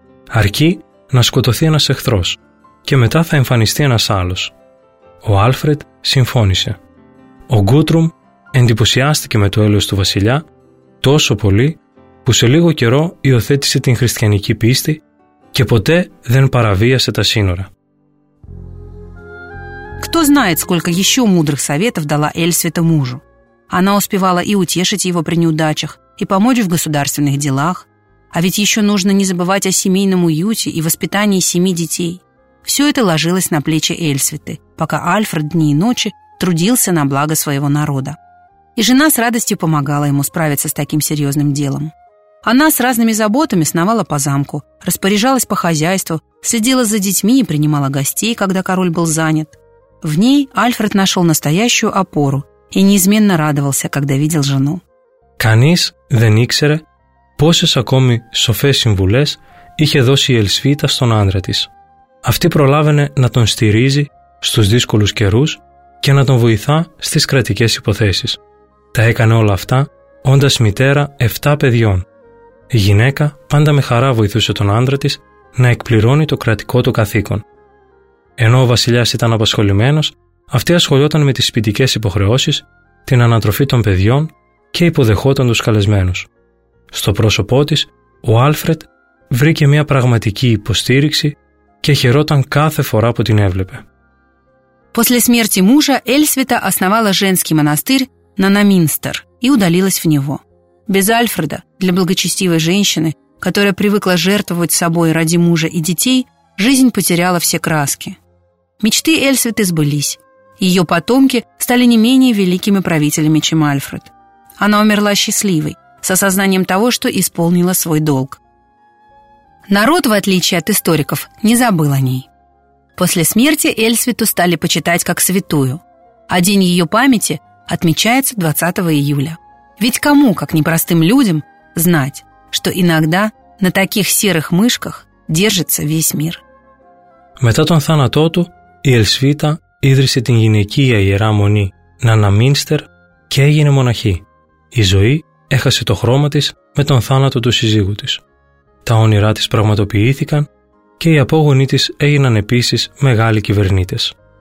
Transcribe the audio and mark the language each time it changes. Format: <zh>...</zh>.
<el>Αρκεί να σκοτωθεί ένας εχθρός και μετά θα εμφανιστεί ένας άλλος. Ο Άλφρετ συμφώνησε. Ο Γκούτρουμ εντυπωσιάστηκε με το έλεος του βασιλιά τόσο πολύ που σε λίγο καιρό υιοθέτησε την χριστιανική πίστη και ποτέ δεν παραβίασε τα σύνορα.</el> <ru>Кто знает, сколько еще мудрых советов дала Эльсвита мужу. Она успевала и утешить его при неудачах, и помочь в государственных делах. А ведь еще нужно не забывать о семейном уюте и воспитании 7 детей. Все это ложилось на плечи Эльсвиты, пока Альфред дни и ночи трудился на благо своего народа. И жена с радостью помогала ему справиться с таким серьезным делом. Она с разными заботами сновала по замку, распоряжалась по хозяйству, следила за детьми и принимала гостей, когда король был занят. В ней Альфред нашел настоящую опору и неизменно радовался, когда видел жену.</ru> <el>Κανείς δεν ήξερε πόσες ακόμη σοφές συμβουλές είχε δώσει η Ελσφίτα στον άντρα της. Αυτή προλάβαινε να τον στηρίζει στους δύσκολους καιρούς και να τον βοηθά στις κρατικές υποθέσεις. Τα έκανε όλα αυτά όντας μητέρα 7 παιδιών. Η γυναίκα πάντα με χαρά βοηθούσε τον άντρα της να εκπληρώνει το κρατικό του καθήκον. Ενώ ο βασιλιάς ήταν απασχολημένος, αυτή ασχολιόταν με τις σπιτικές υποχρεώσεις, την ανατροφή των παιδιών και υποδεχόταν τους καλεσμένους. Στο πρόσωπό της, ο Άλφρετ βρήκε μια πραγματική υποστήριξη και χαιρόταν κάθε φορά που την έβλεπε.</el> <ru>После смерти мужа Эльсвита основала женский монастырь Нанаминстер и удалилась в него. Без Альфреда, для благочестивой женщины, которая привыкла жертвовать собой ради мужа и детей, жизнь потеряла все краски. Мечты Эльсвиты сбылись. Ее потомки стали не менее великими правителями, чем Альфред. Она умерла счастливой, с осознанием того, что исполнила свой долг. Народ, в отличие от историков, не забыл о ней. После смерти Эльсвиту стали почитать как святую, а день ее памяти отмечается 20 июля. Ведь кому, как непростым людям, знать, что иногда на таких серых мышках держится весь мир.</ru> <el>Μετά τον θάνατό του, η Ελσβίτα ίδρυσε την γυναικεία ιερά μονή Νανναμίνστερ και έγινε μοναχή. Η ζωή έχασε το χρώμα της με τον θάνατο του σύζυγου της. Τα όνειρά της πραγματοποιήθηκαν και οι απόγονοί της έγιναν επίσης μεγάλοι κυβερνήτες.</el>